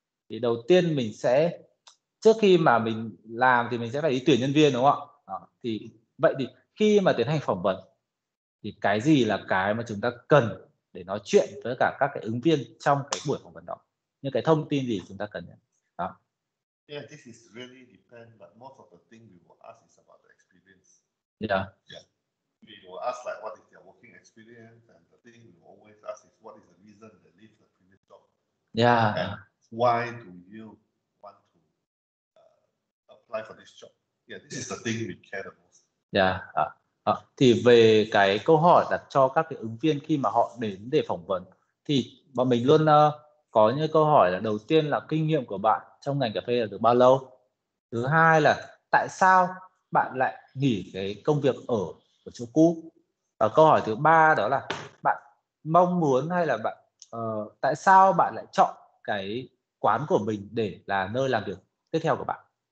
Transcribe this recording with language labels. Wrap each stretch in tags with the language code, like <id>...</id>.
<vi>Thì đầu tiên mình sẽ trước khi mà mình làm thì mình sẽ phải đi tuyển nhân viên đúng không ạ? Đó. Thì vậy thì khi mà tiến hành phỏng vấn thì cái gì là cái mà chúng ta cần để nói chuyện với cả các cái ứng viên trong cái buổi phỏng vấn đó, những cái thông tin gì chúng ta cần đó.</vi> <en>Yeah, this is really depend, but most of the thing we will ask is about the experience. Yeah. Yeah. We will ask like what is their working experience, and the thing we always ask is what is the reason they leave the previous job. Yeah. And why do you want to apply for this job? Yeah, this is the thing we care the most. Yeah.</en> <vi>Thì về cái câu hỏi đặt cho các cái ứng viên khi mà họ đến để phỏng vấn thì bọn mình luôn có những câu hỏi là đầu tiên là kinh nghiệm của bạn trong ngành cà phê là được bao lâu, thứ hai là tại sao bạn lại nghỉ cái công việc ở chỗ cũ, và câu hỏi thứ ba đó là bạn mong muốn hay là bạn tại sao bạn lại chọn cái quán của mình để là nơi làm việc tiếp theo của bạn.</vi>